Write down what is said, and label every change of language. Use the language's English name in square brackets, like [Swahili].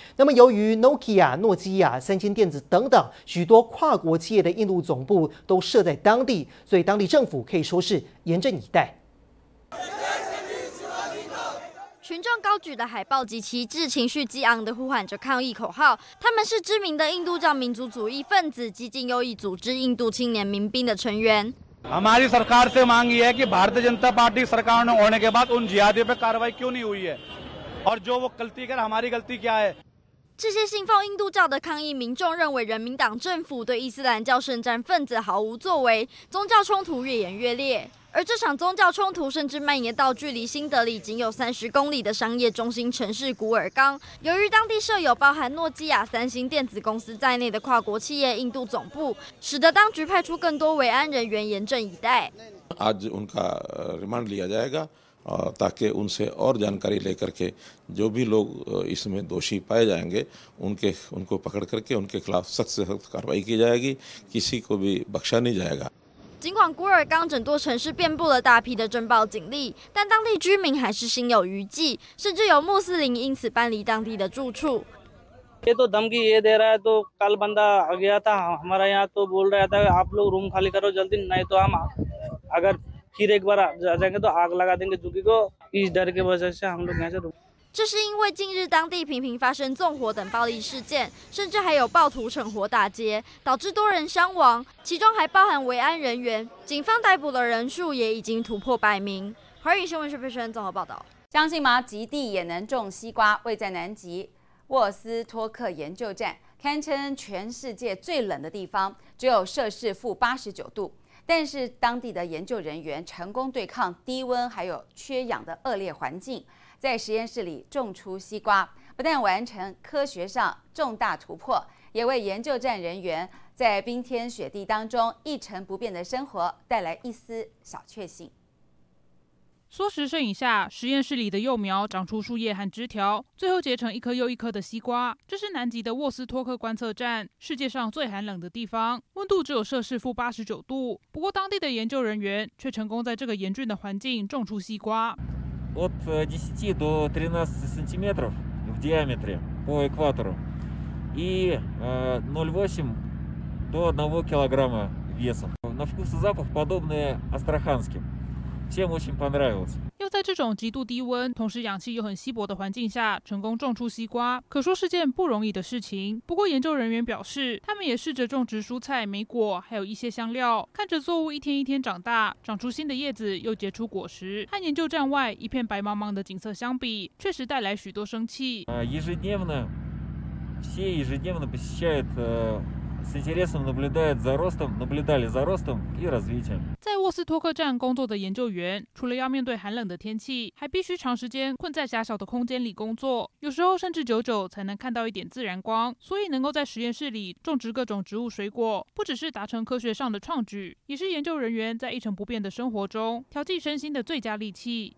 [Chinese] 那么由于 Nokia、 诺基亚、三星电子等等许多跨国企业的印度总部都设在当地，所以当地政府可以说是严阵以待。群众高举的海报及旗帜，情绪激昂地呼喊着抗议口号。他们是知名的印度教民族主义分子激进右翼组织印度青年民兵的成员。 [Hindi] हमारी सरकार से मांग ये है कि भारतीय जनता पार्टी सरकार ने होने के बाद उन जिहादियों पे कार्रवाई क्यों नहीं हुई है? [Chinese] 而就我们的错，我们的错是什么？这些信奉印度教的抗议民众认为，人民党政府对伊斯兰教圣战分子毫无作为，宗教冲突越演越烈。而这场宗教冲突甚至蔓延到距离新德里仅有30公里的商业中心城市古尔冈。由于当地设有包含诺基亚、三星电子公司在内的跨国企业印度总部，使得当局派出更多维安人员严阵以待。 [Hindi] ताकि उनसे और जानकारी लेकर के जो भी लोग इसमें दोषी पाए जाएंगे उनके उनको पकड़ करके उनके खिलाफ सख्त से सख्त कार्रवाई की जाएगी, किसी को भी बख्शा नहीं जाएगा。 [Chinese] 尽管古尔冈整座城市遍布了大批的侦报警力，但当地居民还是心有余悸，甚至有穆斯林因此搬离当地的住处。 [Hindi] ये तो धमकी ये दे रहा है, तो कल बंदा आ गया था हमारा यहाँ, तो बोल रहा था आप लोग रूम खाली करो जल्दी, नहीं तो हम अगर फिर एक बार आ जाएंगे तो आग लगा देंगे, क्योंकि को इस डर के वजह से हम लोग यहाँ से रुके। [Chinese] 这是因为近日当地频频发生纵火等暴力事件，甚至还有暴徒趁火打劫，导致多人伤亡，其中还包含维安人员。警方逮捕的人数也已经突破100名。华语新闻社评综合报道。相信吗？极地也能种西瓜，位在南极沃斯托克研究站，堪称全世界最冷的地方，只有摄氏-89度。但是当地的研究人员成功对抗低温还有缺氧的恶劣环境，在实验室里种出西瓜，不但完成科学上重大突破，也为研究站人员在冰天雪地当中一成不变的生活带来一丝小确幸。缩时摄影下，实验室里的幼苗长出树叶和枝条，最后结成一颗又一颗的西瓜。这是南极的沃斯托克观测站，世界上最寒冷的地方，温度只有摄氏负89度。不过当地的研究人员却成功在这个严峻的环境种出西瓜。 [Russian] От 10 до 13 сантиметров в диаметре по экватору и 0,8 до 1 килограмма весом. На вкус и запах подобные астраханским. Всем очень понравилось. [Chinese] 要在这种极度低温同时氧气又很稀薄的环境下成功种出西瓜，可说是件不容易的事情。不过研究人员表示，他们也试着种植蔬菜、莓果还有一些香料，看着作物一天一天长大，长出新的叶子又结出果实，和研究站外一片白茫茫的景色相比，确实带来许多生气。 [Russian] ежедневно все ежедневно посещают с интересом наблюдают за ростом, наблюдали за ростом и развитием. [Chinese] 在沃斯托克站工作的研究员，除了要面对寒冷的天气，还必须长时间困在狭小的空间里工作，有时候甚至久久才能看到一点自然光。所以能够在实验室里种植各种植物水果，不只是达成科学上的创举，也是研究人员在一成不变的生活中调剂身心的最佳利器。